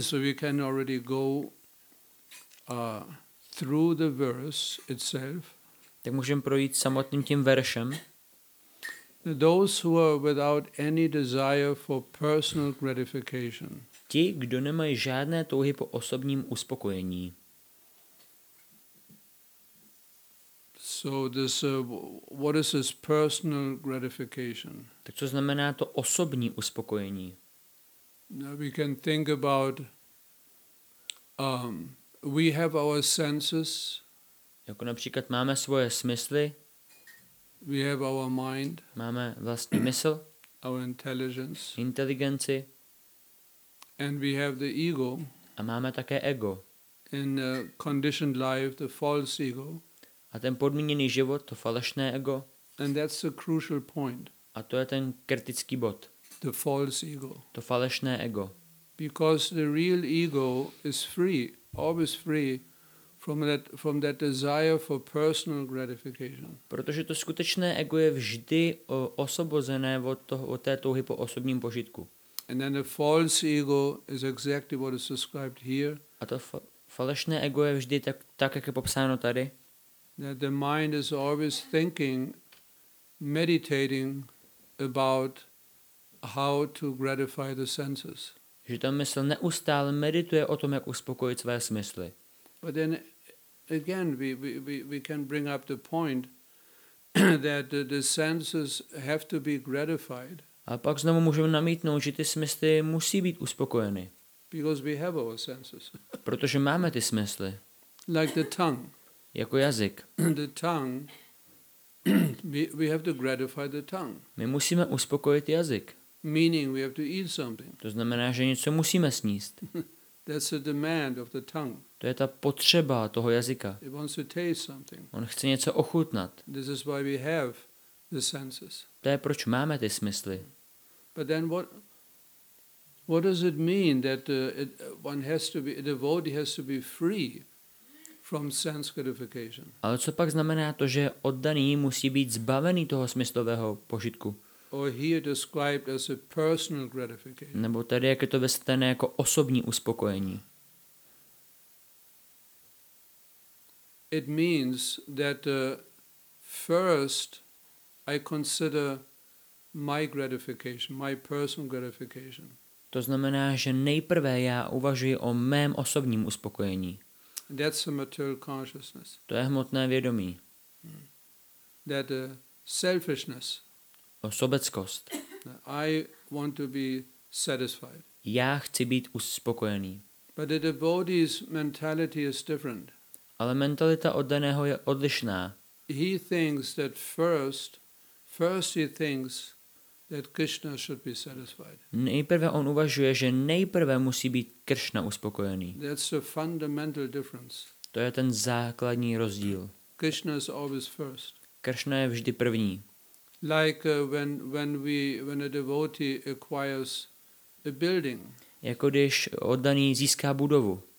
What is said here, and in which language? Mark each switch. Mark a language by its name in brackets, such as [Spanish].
[English] So we can already go through the verse itself. [Czech] Tak můžeme projít samotným tím veršem. [English] Those who are without any desire for personal gratification. [Czech] Ti, kdo nemají žádné touhy po osobním uspokojení. [English] So this, what is this personal gratification? [Czech] Tak co znamená to osobní uspokojení? [English] Now we can think about, we have our senses. [Czech] Jako například máme svoje smysly. [English] We have our mind. [Czech] Máme vlastní mysl. [English] Our intelligence. [Czech] Inteligenci. [English] And we have the ego. [Czech] A máme také ego. [English] In a conditioned life, the false ego. [Czech] A ten podmíněný život, to falešné ego. [English] And that's the crucial point. [Czech] A to je ten kritický bod. [English] The false ego. [Czech] To falešné ego. [English] Because the real ego is free, always free from that desire for personal gratification. [Czech] Protože to skutečné ego je vždy osvobozené od té touhy po osobním požitku. [English] And then the false ego is exactly what is described here. [Czech] A to falešné ego je vždy tak jak je popsáno tady. [English] That the mind is always thinking, meditating about how to gratify the senses. [Czech] Že ta mysl neustále medituje o tom, jak uspokojit své smysly. [English] But then again, we can bring up the point that the senses have to be gratified. [Czech] A pak znovu můžeme namítnout, že ty smysly musí být uspokojeny. [English] Because we have our senses. [Czech] Protože máme ty smysly. [English] Like the tongue. [Czech] Jako jazyk. [English] The tongue. We have to gratify the tongue. [Czech] My musíme uspokojit jazyk. [English] Meaning we have to eat something. [Czech] To znamená, že něco musíme sníst. [English] That's a demand of the tongue. [Czech] To je ta potřeba toho jazyka. [English] It wants to taste something. [Czech] On chce něco ochutnat. [English] This is why we have the senses. [Czech] To je proč máme ty smysly. [English] But then what does it mean that one has to be a devotee has to be free from sense gratification? [Czech] Ale co pak znamená to, že oddaný musí být zbavený toho smyslového požitku? [English] Or here described as a personal gratification. [Czech] Nebo tady jak je to vysvětlené jako osobní uspokojení. [English] It means that first I consider my gratification, my personal gratification. [Czech] To znamená, že nejprve já uvažuji o mém osobním uspokojení. [English] That's a material consciousness. [Czech] To je hmotné vědomí. [English] That selfishness. [Czech] Sobeckost. [English] I want to be satisfied. [Czech] Já chci být uspokojený. [English] But the devotee's mentality is different. [Czech] Ale mentalita oddaného je odlišná. [English] He thinks that first he thinks that Krishna should be satisfied. [Czech] Nejprve on uvažuje, že nejprve musí být Krishna uspokojený. [English] That's the fundamental difference. [Czech] To je ten základní rozdíl. [English] Krishna is always first. [Czech] Krishna je vždy první. [English] Like when a devotee acquires a building. [Czech] Jako když oddaný získá budovu.